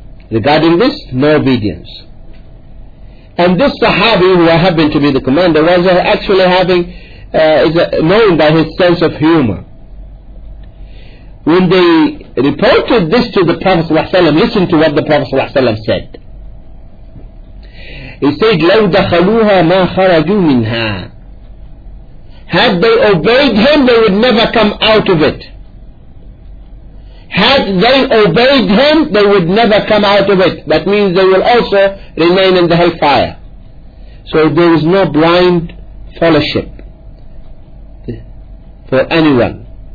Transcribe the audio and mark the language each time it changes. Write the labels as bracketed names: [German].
[English] Regarding this, no obedience. And this Sahabi, who happened to be the commander, was actually having, known by his sense of humor. When they reported this to the Prophet ﷺ, listen to what the Prophet ﷺ said. He said, [Arabic] "لَوْ دَخَلُوهَا مَا خَرَجُوا مِنْهَا." [English] Had they obeyed him, they would never come out of it. Had they obeyed him, they would never come out of it. That means they will also remain in the hellfire. So there is no blind fellowship for anyone.